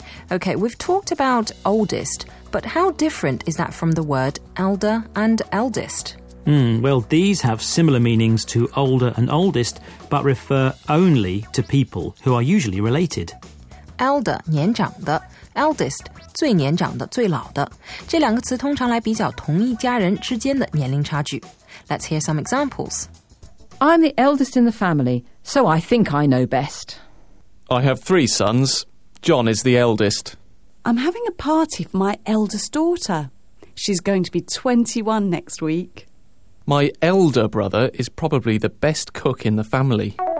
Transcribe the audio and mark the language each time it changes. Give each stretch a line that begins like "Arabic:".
English: Okay, we've talked about oldest, but how different is that from the word elder and eldest? Well, these have similar meanings to older and oldest, but refer only to people who are usually related.
Chinese: Elder, 年长的 ,eldest, 最年长的,最老的。这两个词通常来比较同一家人之间的年龄差距。
English: Let's hear some examples. I'm the eldest in the family, so I think I know best. I have three sons. John is the eldest. I'm having a party for my eldest daughter. She's going to be 21 next week. My elder brother is probably the best cook in the family.